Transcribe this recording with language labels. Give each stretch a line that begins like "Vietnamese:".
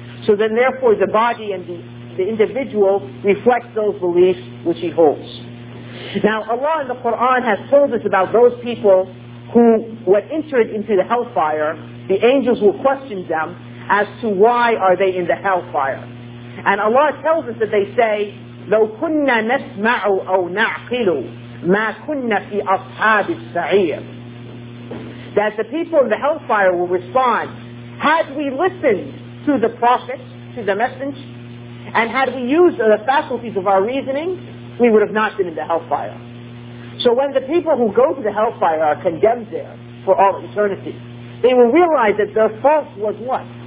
English: So then therefore the body and the individual reflect those beliefs which he holds. Now Allah in the Quran has told us about those people who, when entered into the hellfire, the angels will question them as to why are they in the hellfire. And Allah tells us that they say,
Arabic: لَوْ كُنَّا نَسْمَعُ أَوْ نَعْقِلُ مَا كُنَّا فِي أَصْحَابِ السَّعِيرِ.
English: That the people in the hellfire will respond, had we listened to the Prophet, to the message, and had we used the faculties of our reasoning, we would have not been in the hellfire. So when the people who go to the hellfire are condemned there for all eternity, they will realize that their fault was what?